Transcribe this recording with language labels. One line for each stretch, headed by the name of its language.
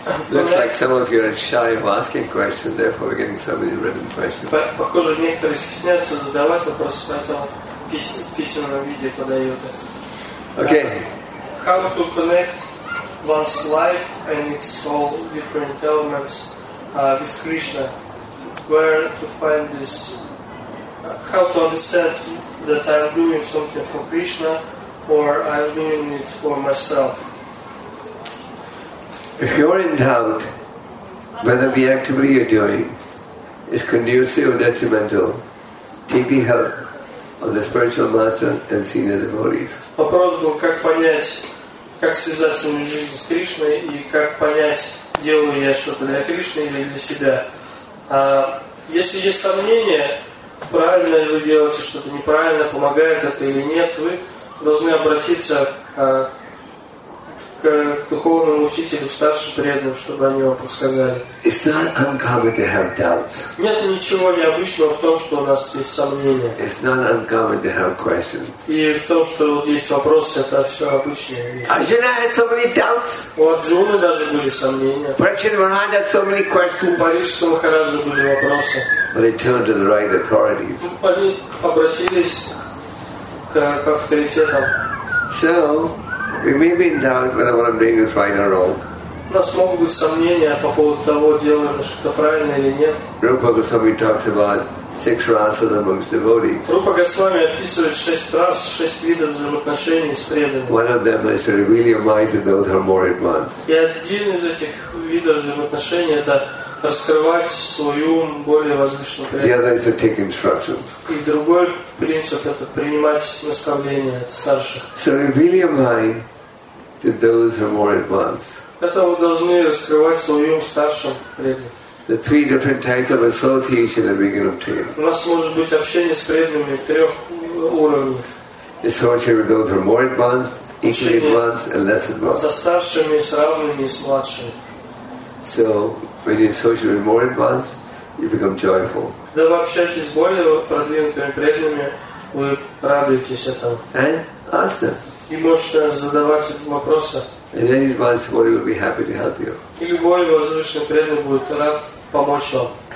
English: Looks like some of you are shy of asking questions, therefore we're getting so many written questions.
Russian: Похоже, некоторые стесняются задавать вопросы, поэтому письменном виде подают.
English: Okay. How to connect one's life and its all different elements with Krishna? Where to find this? How to understand that I'm doing something for Krishna or I'm doing it for myself? If you're in doubt whether the activity you're doing is conducive or detrimental, take the help of the spiritual master and senior devotees.
Russian: Вопрос был, как понять, как связаться между жизнью с Кришной и как понять, делаю я что-то для Кришны или для себя. Если есть сомнения, правильно ли вы делаете что-то неправильно, помогает это или нет, вы должны обратиться к духовному учителю, к старшим преданным, чтобы они вам подсказали.
English: It's not uncommon to have doubts.
Russian: Нет ничего необычного в том, что у нас есть сомнения.
English: It's not uncommon to have questions.
Russian: И в том, что есть вопросы, это все обычные вещи.
English: Arjuna had so many doubts.
Russian: У Арджуны даже были сомнения.
English: Prachana Maharaj had so many questions.
Russian: У Парикшита Махараджа были вопросы.
English: But they turned to the right authorities.
Russian: Они обратились к авторитетам.
English: So, we may be in doubt whether what I'm doing is right or wrong.
Russian: У нас могут быть сомнения по поводу того, делаем мы что-то правильно или нет.
English: Rupa Goswami talks about six rasas amongst devotees.
Russian: Rupa Goswami описывает шесть рас, шесть видов взаимоотношений с преданными.
English: One of them is to reveal your mind to those who are more advanced.
Russian: И один из этих видов взаимоотношений это раскрывать свой ум более возвышенным преданным.
English: The other is to take instructions.
Russian: И другой принцип это принимать наставления от старших.
English: So reveal your mind to those who are more advanced.
Russian: Это вы должны раскрывать свой ум старшим преданным.
English: The three different types of association that we can obtain.
Russian: У нас может быть общение с преданными трех уровней.
English: Associate with those who are more advanced, equally advanced, and less advanced.
Russian: Со старшими, с равными, с младшими.
English: So, when you associate with more advanced, you become joyful.
Russian: Когда вы общаетесь с более продвинутыми преданными, вы радуетесь этому.
English: And ask them.
Russian: И можете задавать эти вопросы.
English: And any advanced body will be happy to help you.
Russian: И любой возвышенный преданный будет рад помочь вам.